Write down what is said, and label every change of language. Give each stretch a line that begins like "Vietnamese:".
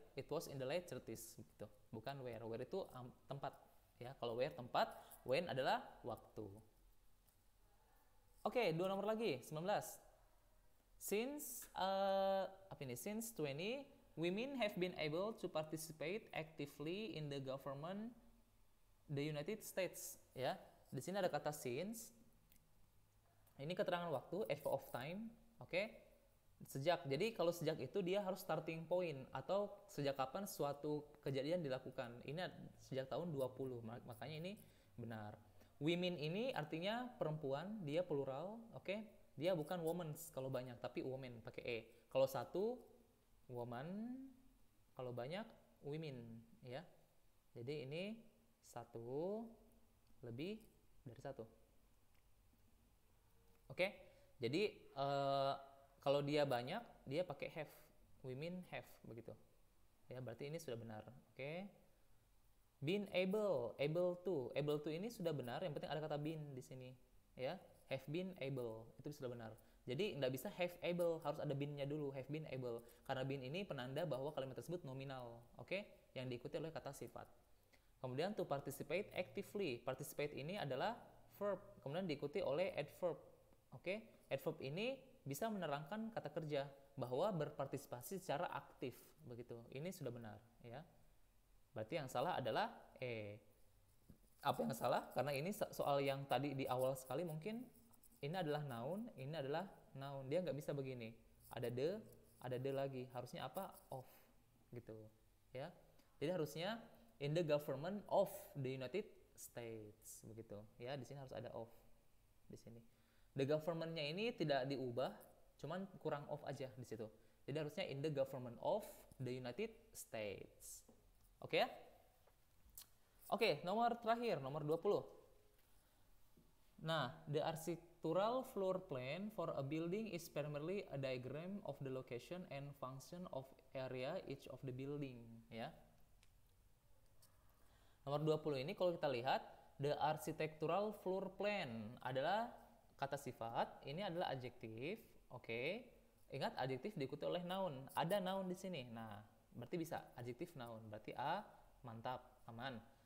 English: It was in the late 30s
Indonesian: begitu. Bukan where. Where itu tempat ya. Kalau where tempat, when adalah waktu. Oke, okay, dua nomor lagi, 19.
English: Since 20 women have been able to participate actively in the government the United States ya.
Indonesian: Di sini ada kata since. Ini keterangan waktu f of time, oke. Okay? Sejak. Jadi kalau sejak itu dia harus starting point atau sejak kapan suatu kejadian dilakukan. Ini sejak tahun 20, makanya ini benar. Women ini artinya perempuan, dia plural, oke. Okay? Dia bukan women kalau banyak tapi women pakai e. Kalau satu woman kalau banyak women ya. Jadi ini satu lebih dari satu. Oke. Okay? Jadi kalau dia banyak dia pakai have. Women have begitu. Ya, berarti ini sudah benar. Oke. Okay?
English: Been able, able to.
Indonesian: Able to ini sudah benar, yang penting ada kata been di sini. Ya.
English: Have been able.
Indonesian: Itu sudah benar. Jadi enggak bisa
English: have able,
Indonesian: harus ada been-nya dulu,
English: have been able.
Indonesian: Karena been ini penanda bahwa kalimat tersebut nominal, oke? Okay? Yang diikuti oleh kata sifat. Kemudian
English: to participate actively.
Indonesian: Participate ini adalah verb, kemudian diikuti oleh adverb, oke? Okay? Adverb ini bisa menerangkan kata kerja bahwa berpartisipasi secara aktif, begitu. Ini sudah benar, ya. Berarti yang salah adalah E. Apa yang salah? Karena ini soal yang tadi di awal sekali, mungkin ini adalah noun, ini adalah noun. Dia nggak bisa begini. Ada de lagi. Harusnya apa? Of. Gitu. Ya. Jadi harusnya
English: in the government of the United States.
Indonesian: Begitu. Ya, di sini harus ada of. Di sini. The government-nya ini tidak diubah, cuman kurang of aja di situ. Jadi harusnya
English: in the government of the United States.
Indonesian: Oke ya? Oke, nomor terakhir, nomor 20. Nah,
English: the architectural floor plan for a building is primarily a diagram of the location and function of area each of the building, ya.
Indonesian: Nomor 20 ini kalau kita lihat,
English: the architectural floor plan
Indonesian: adalah kata sifat, ini adalah adjektif, oke. Okay. Ingat adjektif diikuti oleh noun. Ada noun di sini. Nah, berarti bisa adjektif noun, berarti A mantap, aman.